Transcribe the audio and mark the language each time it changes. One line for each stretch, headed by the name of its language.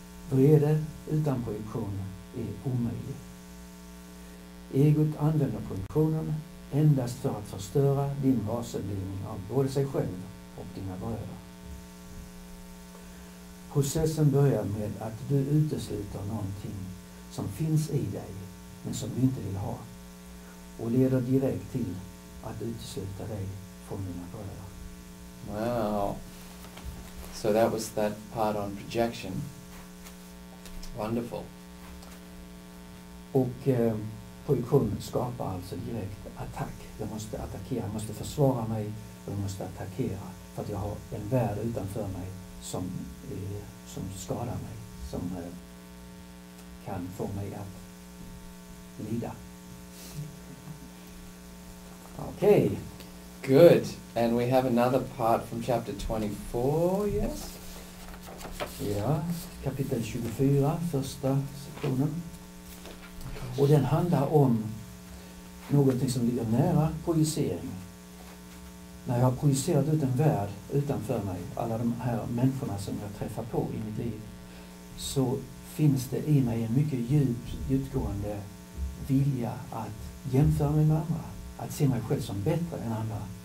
Swedish: Vrede utan projektion är omöjlig. Egot använder projektionen endast för att förstöra din vaselinning av både sig själv och dina bröder. Processen börjar med att du utesluter någonting som finns i dig men som du inte vill ha och leder direkt till att utesluta dig från dina bröder.
English: Wow. So that was that part on projection. Wonderful.
Swedish: Och projektion skapar alltså direkt attack. Jag måste attackera, jag måste försvara mig och jag måste attackera för att jag har en värld utanför mig som skadar mig, som kan få mig att lida.
English: Okay. Good. And we have another part from chapter 24, yes?
Swedish: Ja, kapitel 24, första sektionen. Och den handlar om någonting som ligger nära projicering. När jag har projicerat ut en värld utanför mig, alla de här människorna som jag träffar på i mitt liv, så finns det i mig en mycket djupgående vilja att jämföra mig med andra, att se mig själv som bättre än andra.